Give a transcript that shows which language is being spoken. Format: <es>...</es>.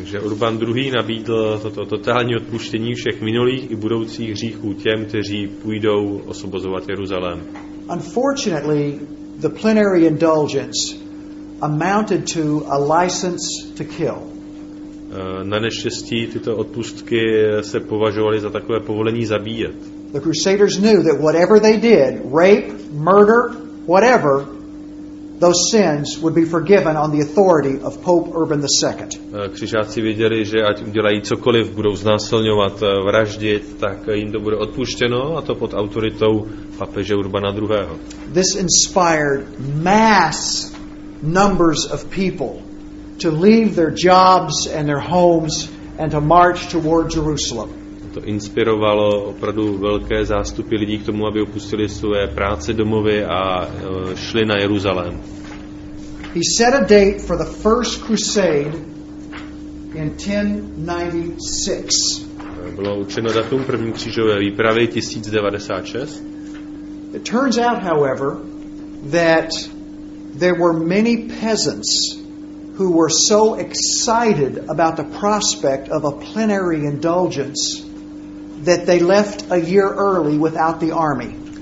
<cs>Takže Urban II. Nabídl toto totální odpuštění všech minulých i budoucích hříchů těm, kteří půjdou osvobozovat Jeruzalém.</cs> <en>Unfortunately, the plenary indulgence amounted to a license to kill.</en> <cs>Na neštěstí tyto odpustky se považovaly za takové povolení zabíjet.</cs> <en>The crusaders knew that whatever they did, rape, murder, whatever, those sins would be forgiven on the authority of Pope Urban II.</en> <cs>Křižáci věděli, že ať udělají cokoliv, budou znásilňovat, vraždit, tak jim to bude odpuštěno, a to pod autoritou papeže Urbana II.</cs> <en>This inspired mass numbers of people to leave their jobs and their homes and to march toward Jerusalem.</en> <cs>To inspirovalo opravdu velké zástupy lidí k tomu, aby opustili své práce, domovy a šli na Jeruzalém.</cs> <en>He set a date for the first crusade in 1096.</en> <cs>Bylo určeno datum první křížové výpravy 1096.</cs> <en>It turns out, however, that there were many peasants who were so excited about the prospect of a plenary indulgence that they left a year early without the army.</en>